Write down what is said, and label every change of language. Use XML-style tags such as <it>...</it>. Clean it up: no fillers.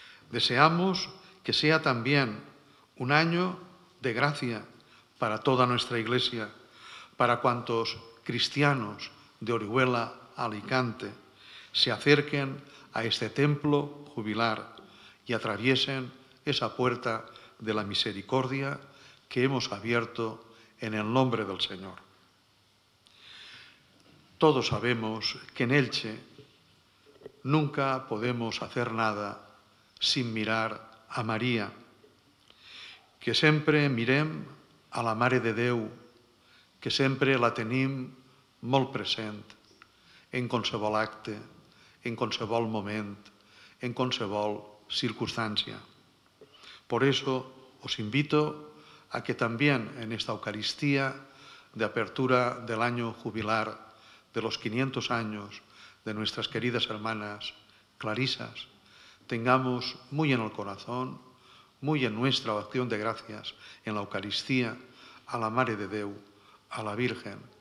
<es>Deseamos que sea también un año de gracia para toda nuestra Iglesia, para cuantos cristianos de Orihuela, Alicante, se acerquen a este templo jubilar y atraviesen esa puerta de la misericordia que hemos abierto en el nombre del Señor. Todos sabemos que en Elche nunca podemos hacer nada sin mirar a María.</es> <ca>Que sempre mirem a la Mare de Déu, que sempre la tenim molt present, en qualsevol acte, en qualsevol moment, en qualsevol circumstància.</ca> <es>Por eso os invito a que también en esta Eucaristía de apertura del año jubilar de los 500 años de nuestras queridas hermanas clarisas, tengamos muy en el corazón, muy en nuestra acción de gracias en la Eucaristía a la Mare de Déu, a la Virgen.</es>